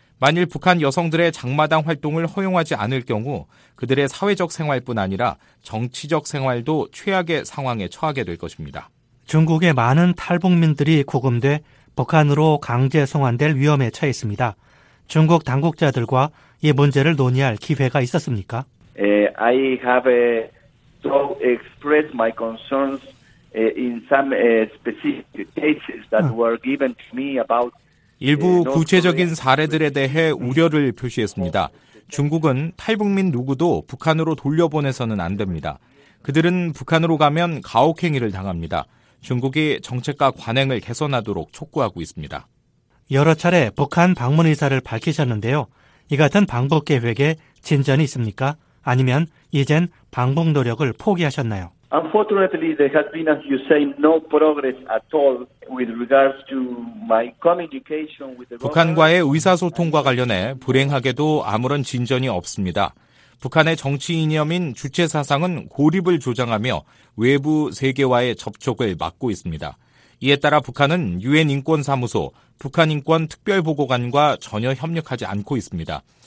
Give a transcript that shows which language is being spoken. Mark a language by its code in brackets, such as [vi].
[ko] 만일 북한 여성들의 장마당 활동을 허용하지 않을 경우 그들의 사회적 생활뿐 아니라 정치적 생활도 최악의 상황에 처하게 될 것입니다. 중국의 많은 탈북민들이 구금돼 북한으로 강제 송환될 위험에 처해 있습니다. 중국 당국자들과 이 문제를 논의할 기회가 있었습니까? [en] I have expressed my concerns in some specific cases that were given to me about [ko] 일부 구체적인 사례들에 대해 우려를 표시했습니다. 중국은 탈북민 누구도 북한으로 돌려보내서는 안 됩니다. 그들은 북한으로 가면 가혹행위를 당합니다. 중국이 정책과 관행을 개선하도록 촉구하고 있습니다. 여러 차례 북한 방문 의사를 밝히셨는데요. 이 같은 방북 계획에 진전이 있습니까? 아니면 이젠 방북 노력을 포기하셨나요? [en] Unfortunately, there has been, as you say, no progress at all with regards to my communication with the. [ko] 북한과의 의사소통과 관련해 불행하게도 아무런 진전이 없습니다. 북한의 정치 이념인 주체 사상은 고립을 조장하며 외부 세계와의 접촉을 막고 있습니다. 이에 따라 북한은 유엔 인권사무소, 북한인권특별보고관과 전혀 협력하지 않고 있습니다.